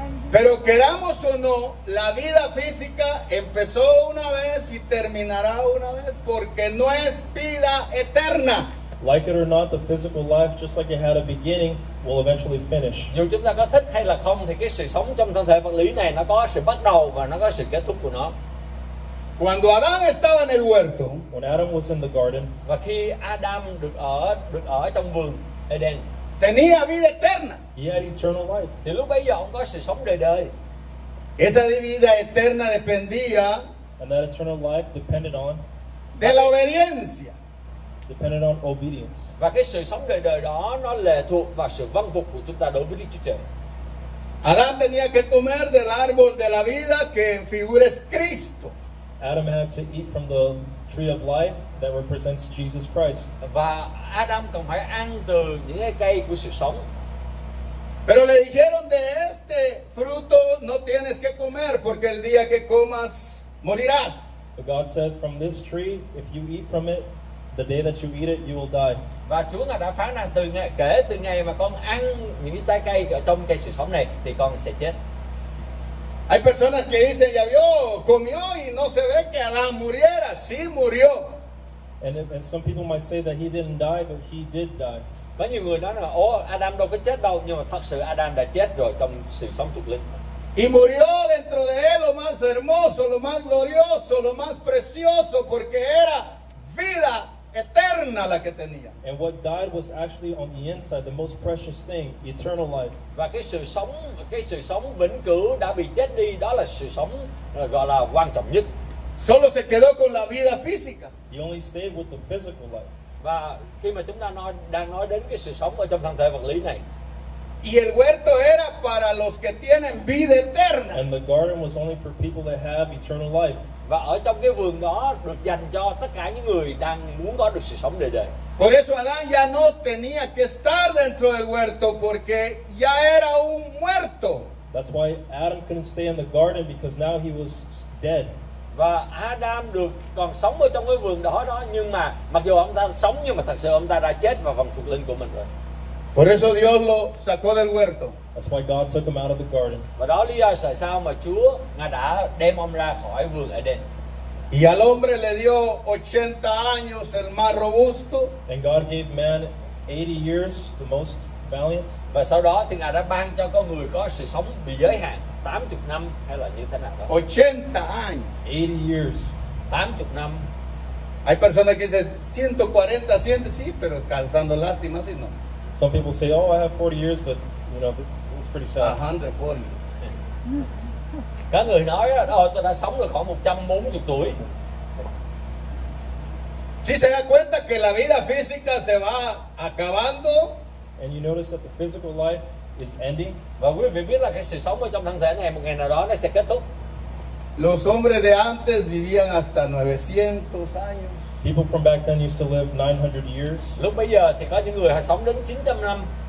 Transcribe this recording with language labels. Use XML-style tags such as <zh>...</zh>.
<es>Pero queramos o no, la vida física empezó una vez y terminará una vez porque no es vida eterna.</es> <en>Like it or not, the physical life, just like it had a beginning, will eventually finish.</en> <vi>Dù chúng ta có thích hay là không, thì cái sự sống trong thân thể vật lý này nó có sự bắt đầu và nó có sự kết thúc của nó.</vi> <es>Cuando Adán estaba en el huerto,</es> <en>when Adam was in the garden,</en> <vi>và khi Adam được ở trong vườn.</vi> <en>And then,</en> <es>tenía vida eterna.</es> <en>He had eternal life.</en> <vi>Thì lúc bấy giờ ông có sự sống đời đời.</vi> <es>Esa vida eterna dependía.</es> <en>And that eternal life depended on.</en> <es>De la obediencia.</es> <en>Depended on obedience.</en> <vi>Và cái sự sống đời đời đó nó lệ thuộc vào sự vâng phục của chúng ta đối với Đức Chúa Trời.</vi> <es>Adán tenía que comer del árbol de la vida que figura es Cristo.</es> <en>Adam had to eat from the tree of life that represents Jesus Christ.</en> <vi>Và Adam cần phải ăn từ những cây của sự sống.</vi> <es>Pero le dijeron de este fruto no tienes que comer porque el día que comas morirás.</es> <en>But God said from this tree if you eat from it the day that you eat it you will die.</en> <vi>Và Chúa ngài đã phán rằng từ ngày mà con ăn những trái cây ở trong cây sự sống này thì con sẽ chết.</vi> <es>Hay personas que dicen ya vio, comió y no se ve que Adán muriera. Sí murió.</es> <en>And some people might say that he didn't die, but he did die.</en> <vi>Có nhiều người nói là, Adam đâu có chết đâu, nhưng mà thật sự Adam đã chết rồi trong sự sống thuộc linh.</vi> <es>Y murió dentro de él lo más hermoso, lo más glorioso, lo más precioso, porque era vida eterna la que tenía.</es> <en>And what died was actually on the inside, the most precious thing, eternal life.</en> <vi>Và cái sự sống vĩnh cửu đã bị chết đi, đó là sự sống gọi là quan trọng nhất.</vi> <es>Solo se quedó con la vida física.</es> <en>He only stayed with the physical life.</en> <vi>Và khi mà chúng ta đang nói đến cái sự sống ở trong thân thể vật lý này.</vi> <es>Y el huerto era para los que tienen vida eterna.</es> <en>And the garden was only for people that have eternal life.</en> <vi>Và ở trong cái vườn đó được dành cho tất cả những người đang muốn có được sự sống đời đời.</vi> <es>Por eso Adán ya no tenía que estar dentro del huerto porque ya era un muerto.</es> <en>That's why Adam couldn't stay in the garden because now he was dead.</en> <vi>Và Adam được còn sống ở trong cái vườn đó đó, nhưng mà mặc dù ông ta sống nhưng mà thật sự ông ta đã chết vào vòng thuộc linh của mình rồi.</vi> <es>Por eso Dios lo sacó del huerto.</es> <en>That's why God took him out of the garden.</en> <vi>Và đó lý do tại sao mà Chúa ngài đã đem ông ra khỏi vườn Eden.</vi> <es>Y al hombre le dio 80 años el más robusto.</es> <en>And God gave man 80 years, the most valiant.</en> <vi>Và sau đó thì ngài đã ban cho con người có sự sống bị giới hạn 80 năm hay là như thế nào đó.</vi> <es>80 años.</es> <en>80 years.</en> <vi>80 năm.</vi> <es>Hay personas que dicen 140, 100, sí, pero causando lástima, sí, no.</es> <en>Some people say, oh, I have 40 years, but, you know, it's pretty sad. 140.</en> <vi>Cả người nói, oh, tôi đã sống được khoảng 140 tuổi.</vi> <es>Si se da cuenta que la vida física se va acabando.</es> <en>And you notice that the physical life is ending.</en> <vi>Và quý vị biết là cái sự sống ở trong thân thể này một ngày nào đó nó sẽ kết thúc.</vi> <es>Los hombres de antes vivían hasta 900 años.</es> <en>People from back then used to live 900 years.</en> <vi>Lúc bây giờ thì có những người họ sống đến 900 năm.</vi>